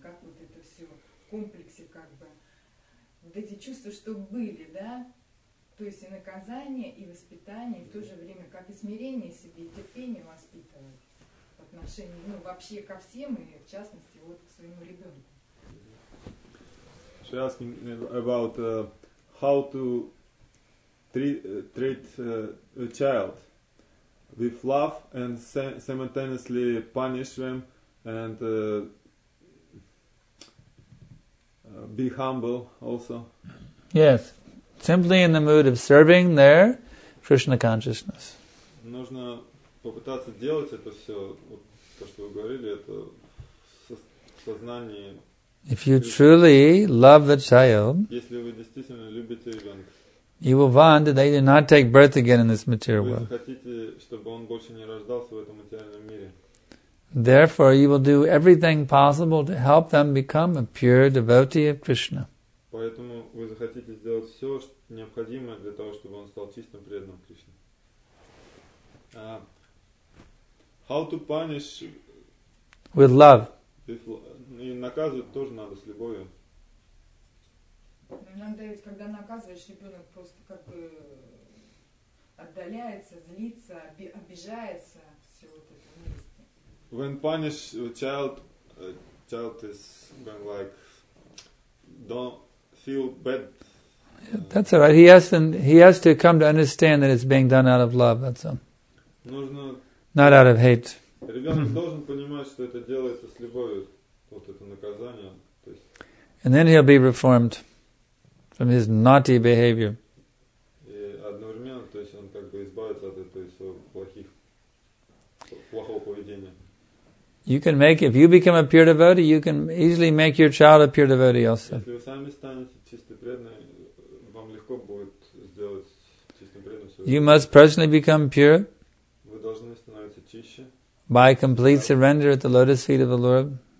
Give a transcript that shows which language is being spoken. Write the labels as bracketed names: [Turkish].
[Russian] Как вот это все в комплексе, как бы, вот эти чувства, что были, да? То есть и наказание, и воспитание, и в то же время, как и смирение себе, и терпение воспитывать в отношении, ну, вообще ко всем, и в частности, вот к своему ребенку. [English] She's asking about how to treat a child with love and simultaneously punish them and be humble also. Yes. Simply in the mood of serving their Krishna consciousness. [Russian] Нужно попытаться делать это все, вот то, что вы говорили, это сознание. [English] If you truly love the child, [Russian] если вы действительно любите ребенка, [English] you will want that they do not take birth again in this material world. [Russian] Вы хотите, чтобы он больше не рождался в этом материальном мире. [English] Therefore, you will do everything possible to help them become a pure devotee of Krishna. [Russian] Поэтому вы захотите сделать все необходимое для того, чтобы он стал чистым преданным Кришне. [English] How to punish? With love. [Russian] И наказывать тоже надо с любовью. ведь когда наказываешь, ребенок просто как бы отдаляется, злится, обижается, все вот это вместе. [English] When punish a child, child is going like don't feel bad. That's all right. He has to come to understand that it's being done out of love, that's all. [Russian] Нужно [English] not out of hate. [Russian] Ребенок должен понимать, что это делается с любовью, вот это наказание. [English] And then he'll be reformed from his naughty behavior. [Russian] И одновременно, то есть он как бы избавится от этого своего плохого поведения. [English] You can make, if you become a pure devotee, you can easily make your child a pure devotee also. [Russian] Если вы сами станете чистым преданным, вам легко будет сделать чистым преданным. [English] You must personally become pure. [Russian] Вы должны становиться чище. [English] By complete surrender at the lotus feet of the Lord.